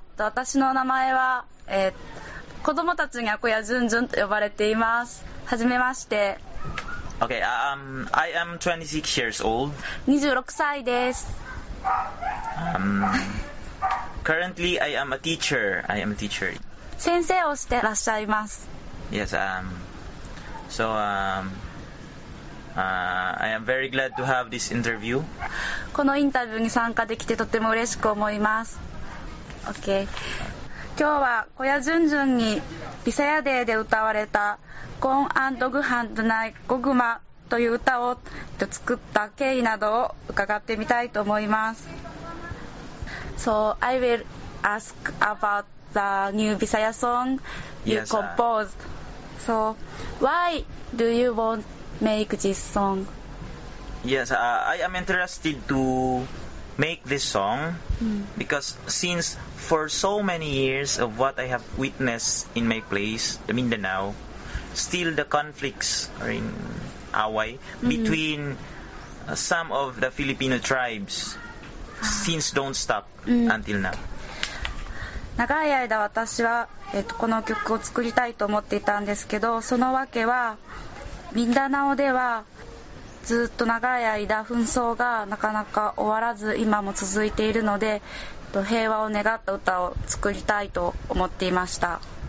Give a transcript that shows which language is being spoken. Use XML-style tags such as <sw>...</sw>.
<ja>私の名前は、子供たちには小屋淳淳と呼ばれています。はじめまして。</ja> <en>Okay, I am 26 years old.</en> <ja>26歳です。</ja> <en>Currently, I am a teacher. I am a teacher.</en> <ja>先生をしてらっしゃいます。</ja> <en>Yes, I am very glad to have this interview.</en> <ja>このインタビューに参加できてとても嬉しく思います。</ja> <en>Okay.</en> <ja>今日は小屋淳淳にビサヤデーで歌われたコーン&グハンドナイゴグマという歌を作った経緯などを伺ってみたいと思います。</ja> <en>So I will ask about the new ビサヤ song you composed. So why do you want to make this song? Yes, I am interested to make this song because since for so many years of what I have witnessed in my place, the Mindanao, still the conflicts are in Away between some of the Filipino tribes since don't stop until now.</en> <ja>長い間私は、この曲を作りたいと思っていたんですけど、そのわけはミンダナオではずっと長い間紛争がなかなか終わらず今も続いているので、平和を願った歌を作りたいと思っていました。</ja>